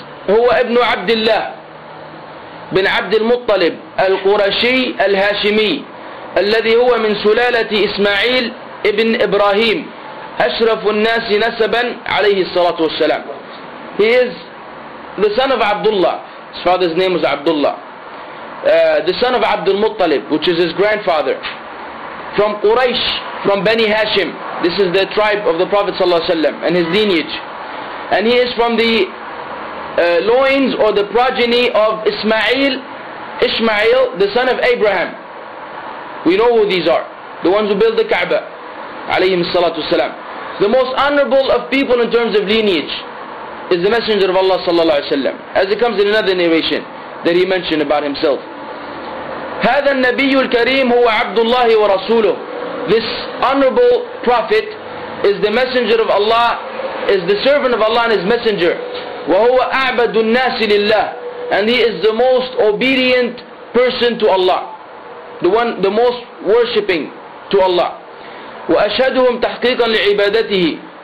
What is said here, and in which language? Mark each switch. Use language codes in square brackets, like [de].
[ar] هو ابن عبد الله بن عبد المطلب القرشي الهاشمي الذي هو من سلالة إسماعيل ابن إبراهيم أشرف الناس نسبا عليه الصلاة والسلام. [en] He is the son of Abdullah. His father's name was Abdullah. The son of Abdul Muttalib, which is his grandfather. From Quraysh, from Bani Hashim. This is the tribe of the Prophet ﷺ and his lineage. And he is from the loins or the progeny of Ishmael, the son of Abraham. We know who these are. The ones who built the Kaaba, [ar] alayhim salatu wasalam. [en] The most honorable of people in terms of lineage is the Messenger of Allah صلى الله عليه وسلم, as it comes in another narration that he mentioned about himself. [ar] هذا النبي الكريم هو عبد الله ورسوله. [en] This honorable prophet is the Messenger of Allah, is the servant of Allah and his Messenger. [ar] وهو أعبد الناس لله. [en] And he is the most obedient person to Allah. The one, the most worshipping to Allah. [ar] وأشهدهم تحقيقا لعبادته.